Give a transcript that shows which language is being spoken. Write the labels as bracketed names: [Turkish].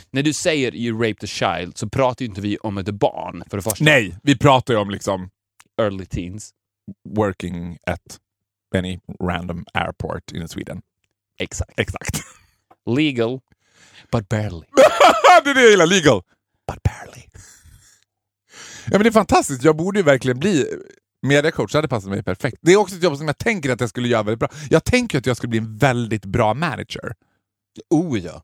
[Swedish] När du säger [English] you raped a child [Swedish] så pratar ju inte vi om ett barn, för det första. Nej, vi pratar ju om liksom... [English] Early teens. Working at any random airport in Sweden. [Swedish] Exakt. Exakt. [English] Legal, but barely. [Swedish] Det är det jag gillar, legal. [English] But barely. [Swedish] Ja, men det är fantastiskt. Jag borde ju verkligen bli mediacoach. Det hade passat mig perfekt. Det är också ett jobb som jag tänker att jag skulle göra väldigt bra. Jag tänker att jag skulle bli en väldigt bra manager. Oh ja.